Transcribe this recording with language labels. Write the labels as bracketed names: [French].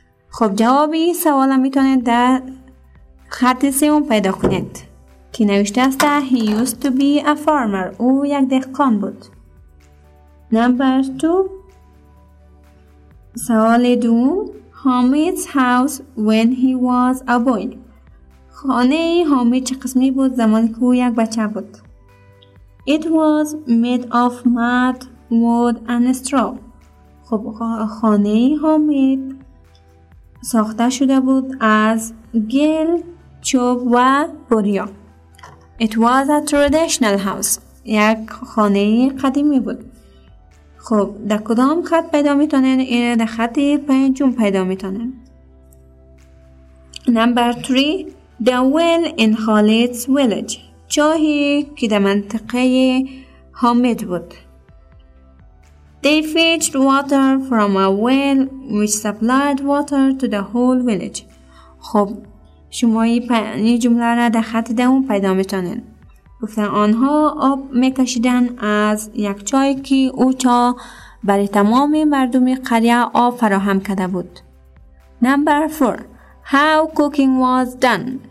[Persian] خب جواب این سوال میتونید در خط 3 پیدا کنید که نوشته است He used to be a farmer. او یک دهقان بود. Number 2. [English] سوال دوم. Hamid's house when he was a boy. [Persian] خانه ای حامی چه قسمی بود زمانی که او یک بچه بود؟ [English] It was made of mud, wood and straw. [Persian] خب خانه ای حامید ساخته شده بود از گل، چوب و بوریا. [English] It was a traditional house. [Persian] یک خانه قدیمی بود. خب در کدام خط پیدا میتونین؟ این در خط پنجم پیدا میتونین. [English] Number 3. The well in Khalid's village. [Persian] چاهی که در منطقه حامید بود. [English] They fetched water from a well which supplied water to the whole village. [Persian] خب شما این جمله را در خط دوم پیدا میتونین. گفتن آنها آب میکشیدن از یک چای که او چا برای تمام مردم قریه آب فراهم کرده بود. [English] Number 4. How cooking was done.